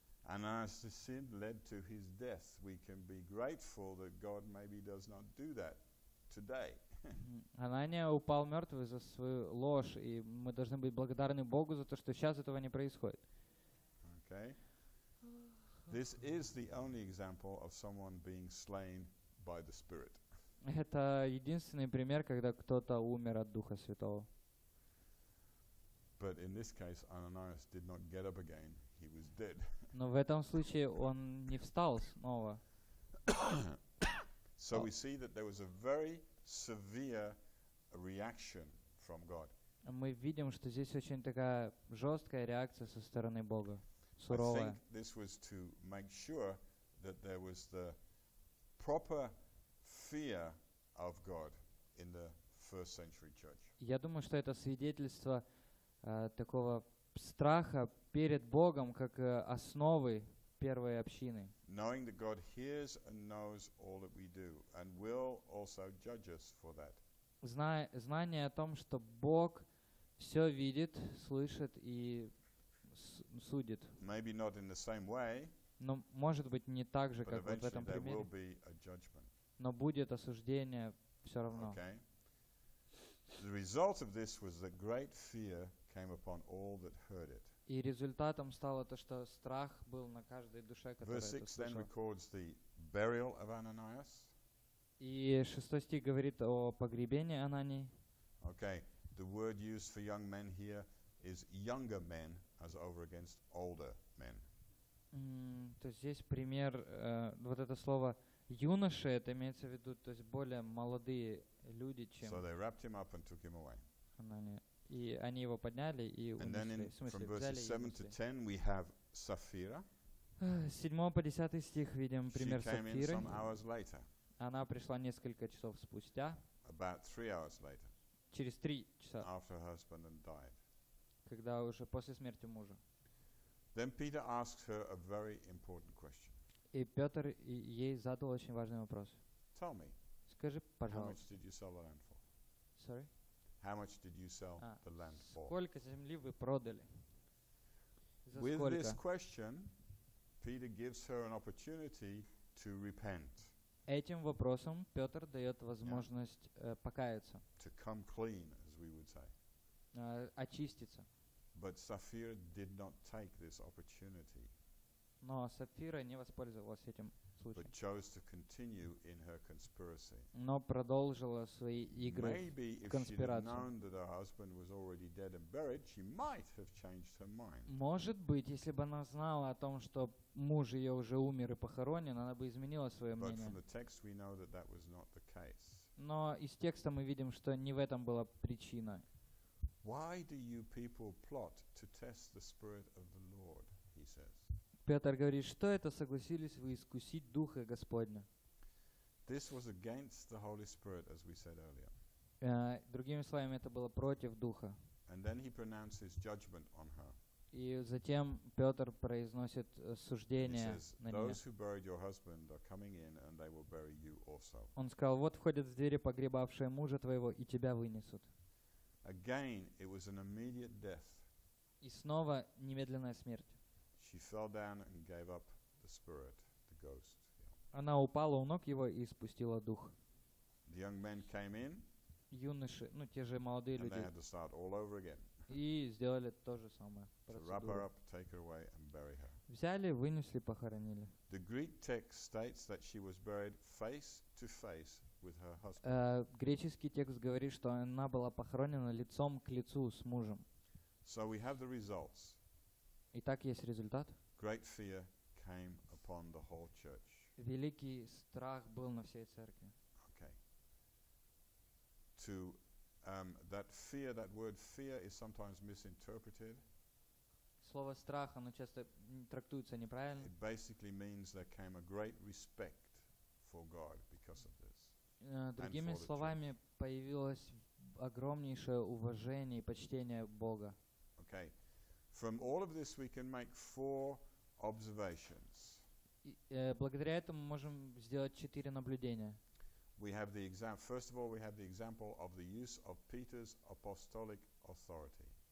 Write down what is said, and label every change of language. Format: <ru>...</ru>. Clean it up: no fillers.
<en>And as the sin led to his death, we can be grateful that God maybe does not do that today.</en> <ru>Анания упал мертвый за свою ложь, и мы должны быть благодарны Богу за то, что сейчас этого не происходит.</ru> <en>Okay. This is the only example of someone being slain by the Spirit.</en> <ru>Это единственный пример, когда кто-то умер от Духа Святого.</ru> <en>But in this case, Ananias did not get up again. He was dead.</en> <ru>Но в этом случае он не встал снова.</ru> <en>So we see that there was a very severe reaction from God.</en> <ru>Мы видим, что здесь очень такая жесткая реакция со стороны Бога. Суровая.</ru> <en>I think this was to make sure that there was the proper fear of God in the first century church.</en> <ru>Я думаю, что это свидетельство такого страха перед Богом как основы первой общины.</ru> <en>Knowing that God hears and knows all that we do and will also judge us for that.</en> <ru>Знание о том, что Бог все видит, слышит и судит.</ru> <en>Maybe not in the same way.</en> <ru>Но может быть не так же, как вот в этом примере. Но будет осуждение все равно.</ru> <en>Okay. The result of this was that great fear came upon all that heard it.</en> <ru>И результатом стало то, что страх был на каждой душе, которая это слышала.</ru> <en>Verse 6 then records the burial of Ananias.</en> <ru>И шестой стих говорит о погребении Анании.</ru> <en>Okay. The word used for young men here is younger men, as over against older men.</en> <ru>То есть здесь пример вот это слово юноши, это имеется в виду, то есть более молодые люди, чем.</ru> <en>So they wrapped him up and took him away.</en> <ru>И они его подняли и унесли.</ru> <en>And then in,</en> <ru>в смысле,</ru> <en>from</en> <ru>взяли</ru> <en>verses 7 to 10 we have Sapphira.</en> <ru>С 7 по 10 стих видим пример Сапфиры.</ru> <en>She came in some hours later.</en> <ru>Она пришла несколько часов спустя.</ru> <en>About 3 hours later.</en> <ru>Через 3 часа.</ru> <en>After her husband had died.</en> <ru>Когда уже после смерти мужа.</ru> <en>Then Peter asks her a very important question.</en> <ru>И Петр ей задал очень важный вопрос.</ru> <en>Tell me.</en> <ru>Скажи, пожалуйста.</ru> <en>How much did you sell the land for? Sorry? How much did you sell the land for?</en> <ru>Сколько земли вы продали? За</ru> <en>With</en> <ru>сколько?</ru> <en>This question, Peter gives her an opportunity to repent.</en> <ru>Этим вопросом Петр дает возможность покаяться.</ru> <en>To come clean, as we would say.</en> <ru>Очиститься.</ru> <en>But Sapphira did not take this opportunity.</en> <ru>Но Сапфира не воспользовалась этим случаем.</ru> <en>But chose to continue in her conspiracy.</en> <ru>Но продолжила свои игры</ru> <en>Maybe</en> <ru>в конспирацию.</ru> <en>Maybe if she had known that her husband was already dead and buried, she might have changed her mind.</en> <ru>Может быть, если бы она знала о том, что муж ее уже умер и похоронен, она бы изменила свое</ru> <en>But</en> <ru>мнение.</ru> <en>But from the text we know that that was not the case.</en> <ru>Но из текста мы видим, что не в этом была причина.</ru> <en>Why do you people plot to test the Spirit of the Lord? He says.</en> <ru>Петр говорит, что это согласились вы искусить Духа Господня?</ru> <en>This was against the Holy Spirit, as we said earlier.</en> <ru>Другими словами, это было против Духа.</ru> <en>And then he pronounces judgment on her.</en> <ru>И затем Петр произносит суждение на нее.</ru> <en>He says, those who buried your husband are coming in, and they will bury you also.</en> <ru>Он сказал, вот входят в двери погребавшие мужа твоего, и тебя вынесут.</ru> <en>Again, it was an immediate death.</en> <ru>И снова немедленная смерть.</ru> <en>She fell down and gave up the spirit, the ghost.</en> <ru>Она упала у ног его и спустила дух.</ru> <en>The young men came in.</en> <ru>Юноши, ну те же молодые люди.</ru> <en>And they had to start all over again.</en> <ru>И сделали то же самое.</ru> <en>To wrap her up, take her away, and bury her.</en> <ru>Взяли, вынесли, похоронили.</ru> <en>The Greek text states that she was buried face to face with her husband.</en> <ru>Греческий текст говорит, что она была похоронена лицом к лицу с мужем.</ru> <en>So we have the results.</en> <ru>Итак, есть результат.</ru> <en>Great fear came upon the whole church.</en> <ru>Великий страх был на всей церкви.</ru> <en>Okay. To that fear, that word fear is sometimes misinterpreted.</en> <ru>Слово страх, оно часто трактуется неправильно.</ru> <en>It basically means there came a great respect for God because of this.</en> <ru>Другими словами,</ru> <en>church.</en> <ru>Появилось огромнейшее уважение и почтение Бога.</ru> <en>Okay. From all of this we can make four observations.</en> <ru>Благодаря этому мы можем сделать четыре наблюдения.</ru> <en>We have the example. First of all, we have the example of the use of Peter's apostolic authority.</en>